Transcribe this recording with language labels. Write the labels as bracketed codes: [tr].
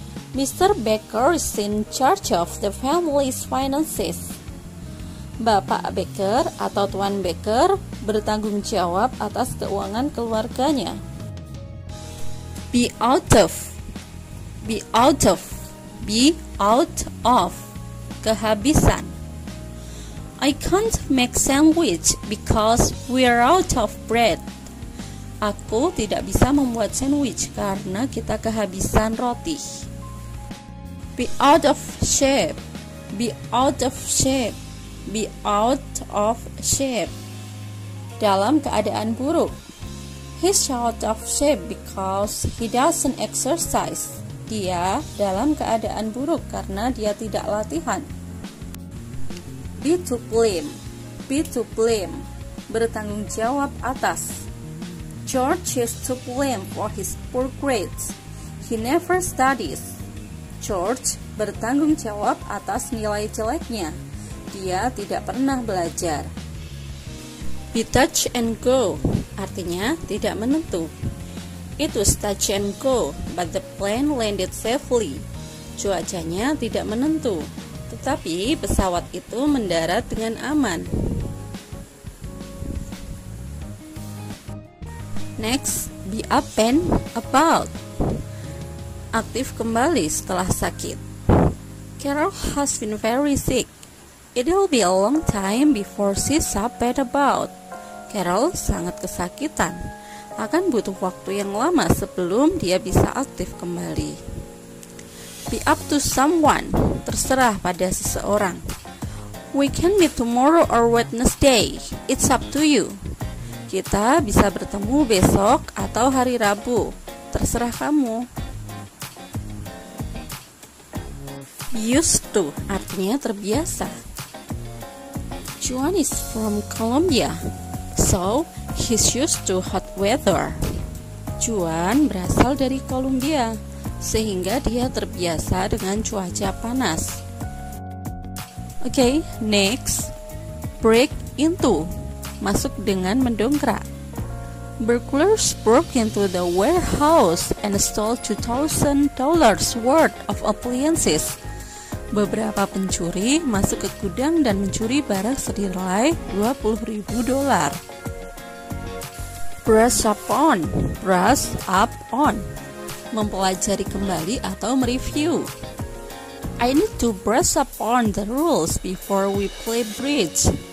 [en] Mr. Baker is in charge of the family's finances. [id] Bapak Baker atau Tuan Baker bertanggung jawab atas keuangan keluarganya. [en] Be out of. Be out of. Be out of. [id] Kehabisan. [en] I can't make sandwich because we're out of bread. [id] Aku tidak bisa membuat sandwich karena kita kehabisan roti. [en] Be out of shape. Be out of shape. Be out of shape. [id] Dalam keadaan buruk. [en] He's out of shape because he doesn't exercise. [id] Dia dalam keadaan buruk karena dia tidak latihan. [en] Be to blame. Be to blame. [id] Bertanggung jawab atas. [en] George is to blame for his poor grades. He never studies. [id] George bertanggung jawab atas nilai jeleknya. Dia tidak pernah belajar. [en] Be touch and go. [id] Artinya tidak menentu. [en] It was touch and go, but the plane landed safely. [id] Cuacanya tidak menentu. Tetapi pesawat itu mendarat dengan aman. [en] Next, be up and about. [id] Aktif kembali setelah sakit. [en] Carol has been very sick. It'll be a long time before she's up and about. [id] Carol sangat kesakitan. Akan butuh waktu yang lama sebelum dia bisa aktif kembali. [en] Be up to someone. [id] Terserah pada seseorang. [en] We can meet tomorrow or Wednesday. It's up to you. [id] Kita bisa bertemu besok atau hari Rabu. Terserah kamu. [en] Used to [id] artinya terbiasa. [en] Juan is from Colombia, so he's used to hot weather. [id] Juan berasal dari Kolombia, sehingga dia terbiasa dengan cuaca panas. [en] Okay, next, break into, [id] masuk dengan mendongkrak. [en] Burglars broke into the warehouse and stole $2,000 worth of appliances. [id] Beberapa pencuri masuk ke gudang dan mencuri barang senilai $20,000. [en] Brush up on, brush up on, [id] mempelajari kembali atau mereview. [en] I need to brush up on the rules before we play bridge.